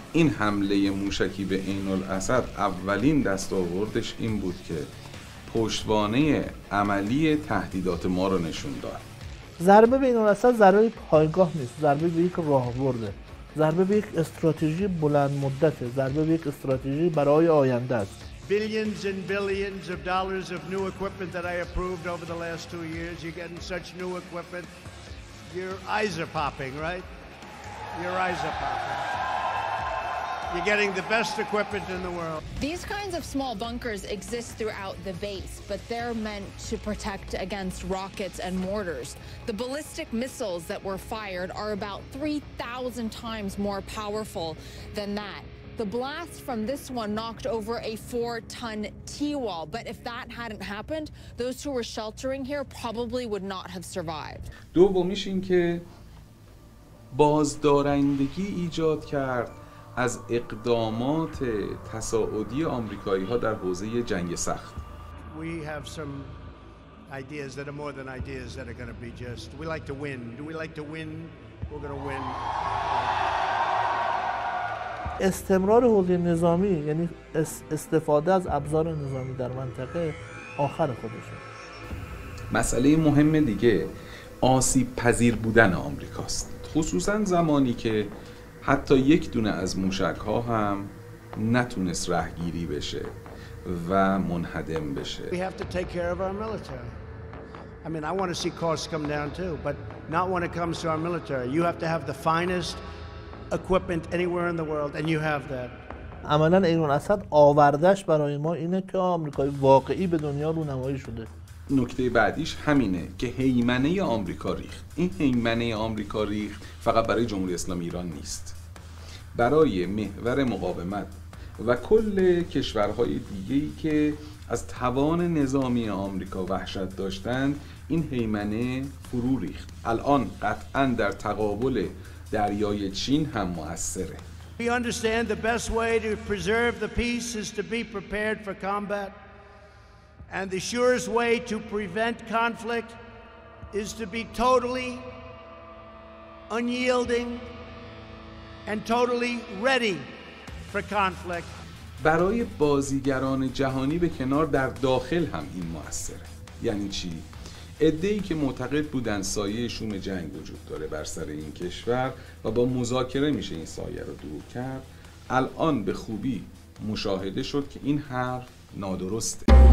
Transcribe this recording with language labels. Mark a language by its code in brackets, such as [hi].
[fa] این حمله موشکی به عین الاسد اولین دستاوردش این بود که پشتوانه عملی تهدیدات ما رو نشون داد. ضربه به این اصلا ضربه پایگاه نیست، ضربه به یک راهبرده، ضربه به یک استراتژی بلند مدته، ضربه به یک استراتژی برای آینده است. [en] Billions and billions of dollars of new equipment that I approved over the last 2 years. You're getting such new equipment. Your eyes are popping, right? Your eyes are popping. You're getting the best equipment in the world. These kinds of small bunkers exist throughout the base, but they're meant to protect against rockets and mortars. The ballistic missiles that were fired are about 3,000 times more powerful than that. The blast from this one knocked over a 4-ton T-wall, but if that hadn't happened, those who were sheltering here probably would not have survived. [fa] دومیش این که بازدارندگی ایجاد کرد از اقدامات تصاعدی آمریکایی‌ها در حوزه جنگ سخت. [en] We have some ideas that are more than ideas that are going to be just. We like to win. Do we like to win? We're going to win. [fa] استمرار حوزه نظامی، یعنی استفاده از ابزار نظامی در منطقه آخر خودشه. مسئله مهم دیگه آسیب پذیر بودن آمریکاست، خصوصا زمانی که حتی یک دونه از موشک ها هم نتونست رهگیری بشه و منهدم بشه. [en] We have to take care of our military. I mean, I want to see costs come down too, but not when it comes to our military. You have to have the finest equipment anywhere in the world, and you have that. [fa] عملاً ایران اسد آوردش برای ما اینه که آمریکای واقعی به دنیا رونمایی شده. نکته بعدیش همینه که هیمنه آمریکا ریخت. این هیمنه آمریکا ریخت فقط برای جمهوری اسلامی ایران نیست، برای محور مقاومت و کل کشورهای دیگه‌ای که از توان نظامی آمریکا وحشت داشتند این هیمنه فرو ریخت. الان قطعاً در تقابل دریای چین هم مؤثره. [en] We understand the best way to preserve the peace is to be prepared for combat. And the surest way to prevent conflict is to be totally unyielding and totally ready for conflict. [fa] برای بازیگران جهانی به کنار، در داخل هم این مؤثره. یعنی چی؟ عده‌ای که معتقد بودن سایه شوم جنگ وجود داره بر سر این کشور و با مذاکره میشه این سایه رو دور کرد، الان به خوبی مشاهده شد که این حرف نادرسته.